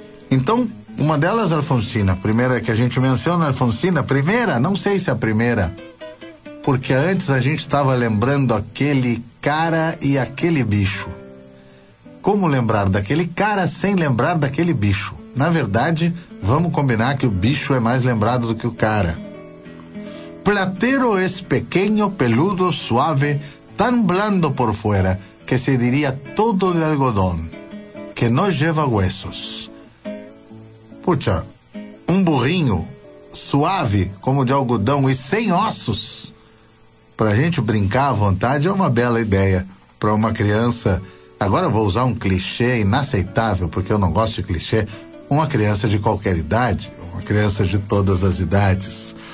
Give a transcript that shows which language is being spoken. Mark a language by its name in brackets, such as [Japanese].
[Portuguese] Então, uma delas, Alfonsina, primeira que a gente menciona, Alfonsina, primeira, não sei se a primeira, porque antes a gente estava lembrando aquele cara e aquele bicho. Como lembrar daquele cara sem lembrar daquele bicho? Na verdade, vamos combinar que o bicho é mais lembrado do que o cara. [Spanish] Platero es pequeño, peludo, suave, tan blando por fuera, que se diría todo de algodón, que no lleva huesos. [Portuguese] Puxa, um burrinho suave como de algodão e sem ossos, pra gente brincar à vontade, é uma bela ideia pra uma criança. Agora eu vou usar um clichê inaceitável, porque eu não gosto de clichê. Uma criança de qualquer idade, uma criança de todas as idades.